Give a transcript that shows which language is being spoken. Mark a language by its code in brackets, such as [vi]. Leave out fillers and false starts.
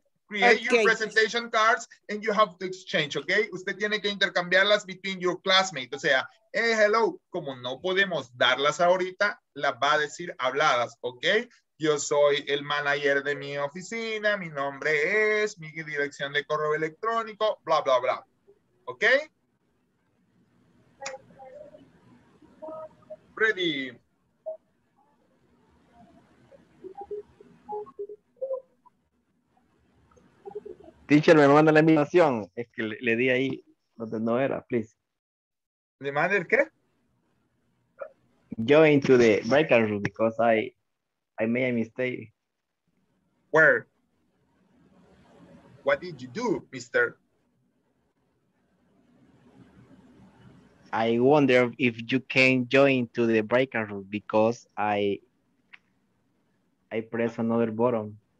[en] Create your presentation cards and you have to exchange, okay? [es] Usted tiene que intercambiarlas [en] between your classmates. [es] O sea, [en] hey, hello. [es] Como no podemos darlas ahorita, las va a decir habladas, okay? Yo soy el manager de mi oficina, mi nombre es, mi dirección de correo electrónico, bla, bla, bla. ¿Ok? [en] Ready. [es] Teacher, me manda la invitación. Es que le di ahí donde no era, please. ¿Le manda el qué? [en] Go into the breakout room because I made a mistake. Where? What did you do, mister? I wonder if you can join to the breakout room because I press another button.